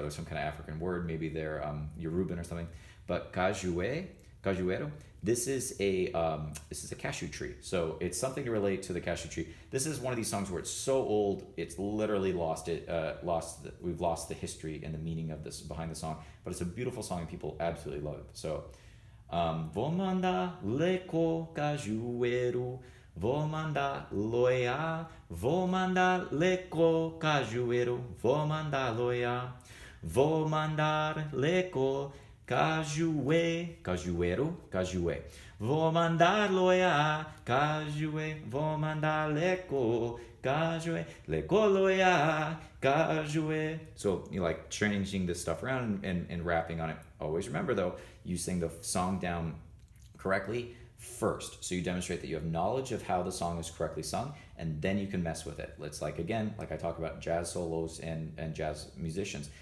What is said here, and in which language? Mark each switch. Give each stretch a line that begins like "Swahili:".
English: They're some kind of African word. Maybe they're Yoruban or something. But cajuê, cajueiro, this is a cashew tree. So it's something to relate to the cashew tree. This is one of these songs where it's so old, it's literally lost it. We've lost the history and the meaning of this behind the song. But it's a beautiful song and people absolutely love it.
Portuguese: So, vou mandar lecô cajueiro, vou mandar loiá, vou mandar lecô cajueiro, vou mandar loiá, vou mandar lecô cajuê, cajueiro, cajuê. Vou mandar loiá, cajuê, vou mandar lecô, cajuê, lecô loiá, cajuê.
English: So you like changing this stuff around and rapping on it. Always remember though, you sing the song down correctly first. So you demonstrate that you have knowledge of how the song is correctly sung, and then you can mess with it. It's like, again, like I talk about jazz solos and jazz musicians.